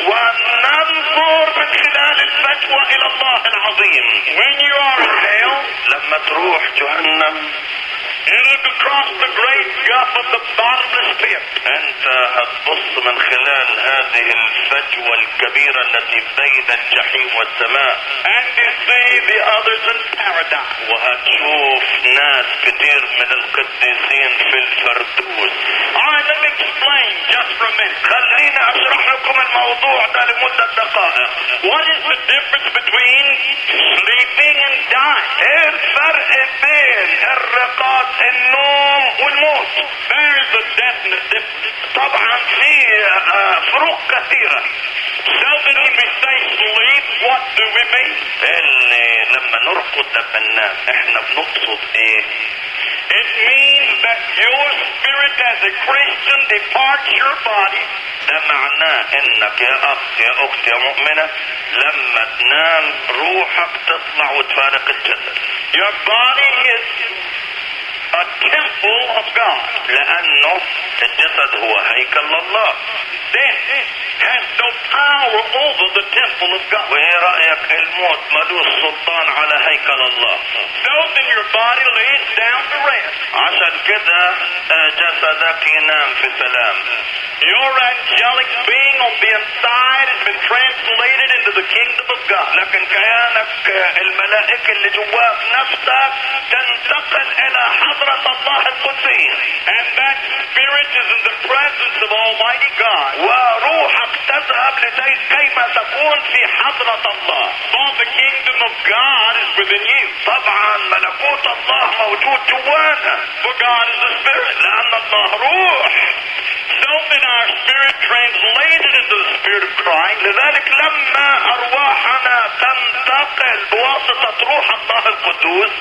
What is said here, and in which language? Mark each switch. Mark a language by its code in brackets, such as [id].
[ar] وننظر من خلال الفجوة إلى الله العظيم. [en] When you are in hell. [ar] لما تروح جهنم. [en] Look across the great gulf of the bottomless pit. [ar] أنت هتبص من خلال هذه الفجوة الكبيرة التي بين الجحيم والسماء. [en] And you see the others in paradise. [ar] وهتشوف ناس كتير من القديسين في الفردوس. [en] Alright, let me explain just for a minute. [ar] خلينا أشرح لكم الموضوع ده لمدة دقائق. [en] What is the difference between sleeping and dying? [ar] الفرق بين الرقاد النوم والموت. [en] There is a definite difference. [ar] طبعا في فروق كثيرة. [en] So when we say sleep, what do we mean? [ar] اللي لما نرقد ده بننام احنا بنقصد ايه؟ [en] It means that your spirit as a Christian departs your body. [ar] ده معناه انك يا اخ يا اخت يا مؤمنة لما تنام روحك تطلع وتفارق الجسد. [en] Your body is a temple of God. [ar] لانه الجسد هو هيكل الله. [en] Death has no power over the temple of God. [ar] وإيه رأيك الموت ملوش سلطان على هيكل الله. [en] So then your body lays down to rest. [ar] عشان كده جسدك ينام في سلام. [en] Your angelic being on the inside has been translated into the kingdom of God. [ar] لكن كيانك الملائكي اللي جواك نفسك تنتقل إلى حضرة الله القدسين. [en] And that spirit is in the presence of Almighty God. [ar] وروحك تذهب لتيت كيما تكون في حضرة الله. [en] For the kingdom of God is within you. [ar] طبعا ملكوت الله موجود جوانا. [en] For God is the spirit. [ar] لأن الله روح. [en] So then our spirit translated into the spirit of Christ. [ar] لذلك لما أرواحنا تنتقل بواسطة روح الله القدوس.